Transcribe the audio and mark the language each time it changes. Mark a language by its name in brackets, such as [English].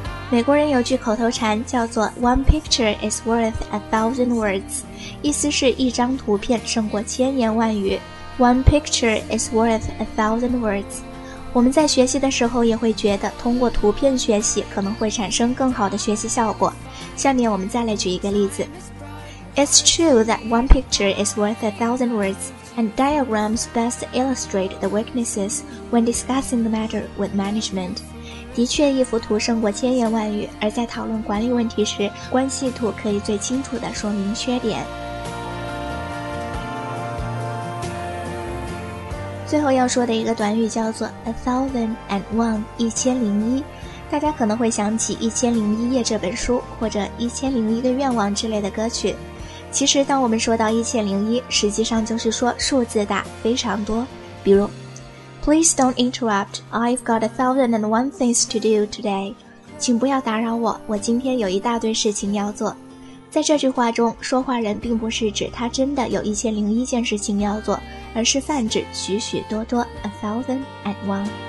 [Chinese] 美国人有句口头禅叫做 [English] One picture is worth a thousand words， [Chinese] 意思是一张图片胜过千言万语。 [English] One picture is worth a thousand words。 [Chinese] 我们在学习的时候也会觉得通过图片学习可能会产生更好的学习效果。下面我们再来举一个例子。 [English] It's true that one picture is worth a thousand words, and diagrams best illustrate the weaknesses when discussing the matter with management. [Chinese] 的确，一幅图胜过千言万语，而在讨论管理问题时，关系图可以最清楚地说明缺点。最后要说的一个短语叫做 [English] A thousand and one， [Chinese] 一千零一。大家可能会想起《一千零一夜》这本书，或者《一千零一个愿望》之类的歌曲。其实当我们说到一千零一，实际上就是说数字大，非常多。比如 [English] Please don't interrupt. I've got a thousand and one things to do today. [Chinese] 请不要打扰我，我今天有一大堆事情要做。在这句话中，说话人并不是指他真的有一千零一件事情要做，而是泛指许许多多 [English] a thousand and one。